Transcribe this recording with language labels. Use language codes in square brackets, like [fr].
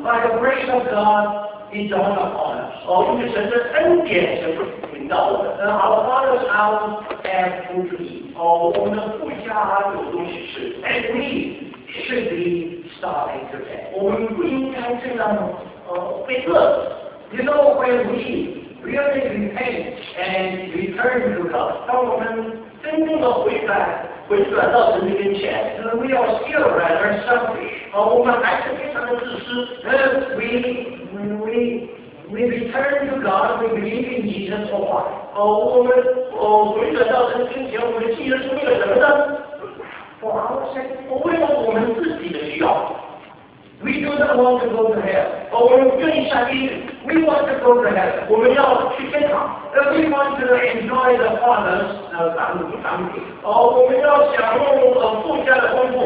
[en] By the grace of God, He dawned upon us. [zh] 因为神的恩典是临到我们。 [en] Our father's house had food to eat. [zh] 我们的父家有东西吃。 [en] And we should be starving to death. [zh] 我们不应该这样被饿。 [en] You know when we really repent. And return to God. [zh] 当我们真正的回转到神的跟前 [en] ，then we are still rather selfish. [zh] 我们还是非常的自私。 [en] We return to God. We believe in Jesus for what? [zh] 回转到神跟前，我们信耶稣为了什么呢 [en] ？For our sake. [zh] 为了我们自己的需要。 [en] want to go to hell. [zh] 哦, 我们愿意下地狱, [en] we want to go to heaven. [zh] 我们要去天堂, [en] and we want to enjoy the father's family. [zh] 哦, 我们要享受父家的丰富,